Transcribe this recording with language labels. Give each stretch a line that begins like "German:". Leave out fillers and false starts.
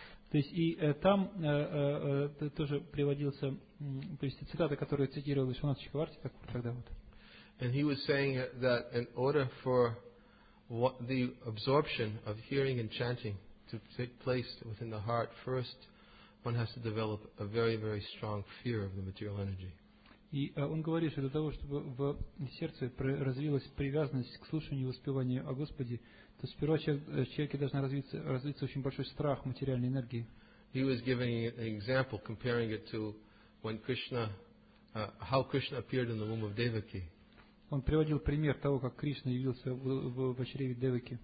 Russian: То есть и там тоже приводился, то есть цитата, которую цитировал Вишванатха Чакраварти Такура тогда вот.
English: And he was saying that in order for the absorption of hearing and chanting to take place within the heart, first one has to develop a very, very strong fear of the material energy.
Russian: И он говорит, что для того, чтобы в сердце развилась привязанность к слушанию и воспеванию о Господе, то сперва человеке должна развиться очень большой страх материальной энергии.
English: He was giving an example, comparing it to when Krishna, how Krishna appeared in the womb of Devaki.
Russian: Он приводил пример того, как Кришна явился в чреве Девики.